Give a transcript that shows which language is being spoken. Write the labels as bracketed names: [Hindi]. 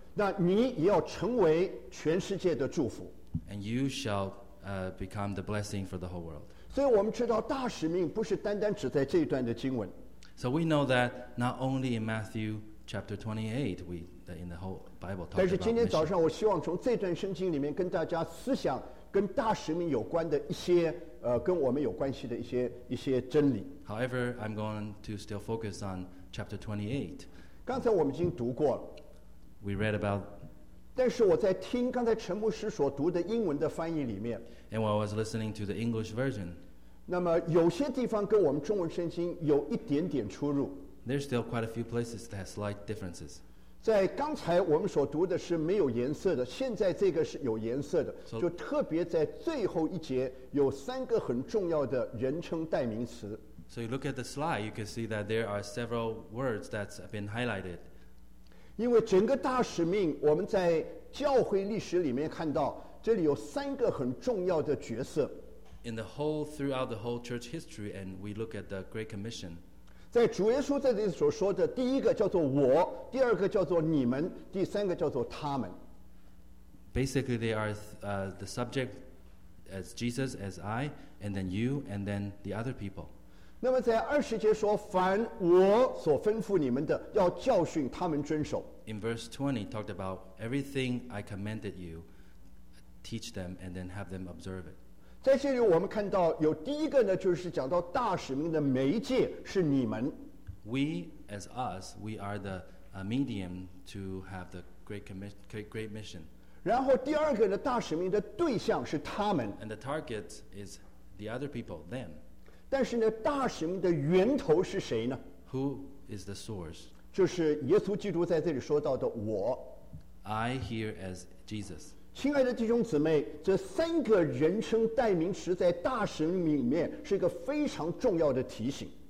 [Chinese] 那你也要成为全世界的祝福。 [English] And you shall become the blessing for the whole world. [Chinese] 所以我们知道大使命不是单单只在这一段的经文。 [English] So we know that not only in Matthew chapter 28, in the whole Bible talks about mission. [Chinese] 但是今天早上我希望从这段圣经里面跟大家思想跟大使命有关的一些跟我们有关系的一些真理。 [English] However, I'm going to still focus on chapter 28. [Chinese] 刚才我们已经读过了。 [English] We read about. [Chinese] 但是我在听刚才陈牧师所读的英文的翻译里面。 [English] And while I was listening to the English version. [Chinese] 那么有些地方跟我们中文圣经有一点点出入。 [English] There's still quite a few places that have slight differences. [Chinese] 在刚才我们所读的是没有颜色的，现在这个是有颜色的，就特别在最后一节有三个很重要的人称代名词。 [English] So you look at the slide, you can see that there are several words that's been highlighted. [Chinese] 因为整个大使命，我们在教会历史里面看到，这里有三个很重要的角色。 [English] In the whole, throughout the whole church history, and we look at the Great Commission. [Chinese] 在主耶稣在这里所说的，第一个叫做我，第二个叫做你们，第三个叫做他们。 [English] Basically, they are the subject as Jesus, as I, and then you, and then the other people. [Chinese] 那么在二十节说，凡我所吩咐你们的，要教训他们遵守。 [English] In verse 20, it talked about everything I commanded you, teach them, and then have them observe it. [Chinese] 在这里我们看到有第一个呢，就是讲到大使命的媒介是你们。 [English] We as us, we are the medium to have the great mission. [Chinese] 然后第二个呢，大使命的对象是他们。 [English] And the target is the other people, them. [Chinese] 但是呢，大使命的源头是谁呢 [English] ？Who is the source? [Chinese] 就是耶稣基督在这里说到的我。 [English] I here as Jesus. [Chinese] 亲爱的弟兄姊妹，这三个人称代名词在大使命里面是一个非常重要的提醒。